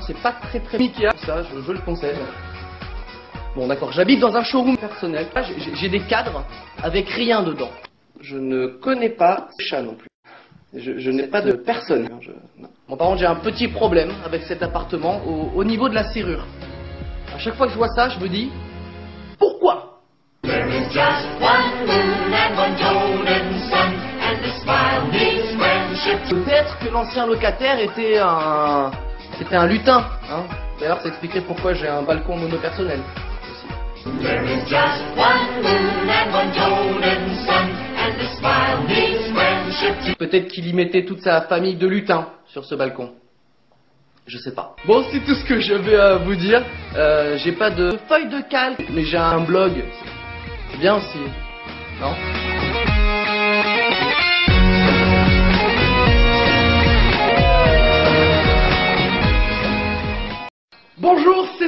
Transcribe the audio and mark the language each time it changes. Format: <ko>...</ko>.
<fr>C'est pas très très Ikea. Ça, je le conseille. Bon, d'accord, j'habite dans un showroom personnel. J'ai des cadres avec rien dedans. Je ne connais pas ce chat non plus. Je n'ai pas de personne. Bon, par contre, j'ai un petit problème avec cet appartement au niveau de la serrure. À chaque fois que je vois ça, je me dis pourquoi ?</fr> <en>There is just one moon and one golden sun, and the smile means friendship.</en> <fr>Peut-être que l'ancien locataire était un lutin, hein. D'ailleurs, ça expliquerait pourquoi j'ai un balcon monopersonnel.</fr> <en>There is just one moon and one golden sun, and the smile means friendship.</en> <fr>Peut-être qu'il y mettait toute sa famille de lutins sur ce balcon. Je sais pas. Bon, c'est tout ce que j'avais à vous dire. J'ai pas de feuille de calque, mais j'ai un blog. C'est bien aussi. Non ? Bonjour, c'est</fr>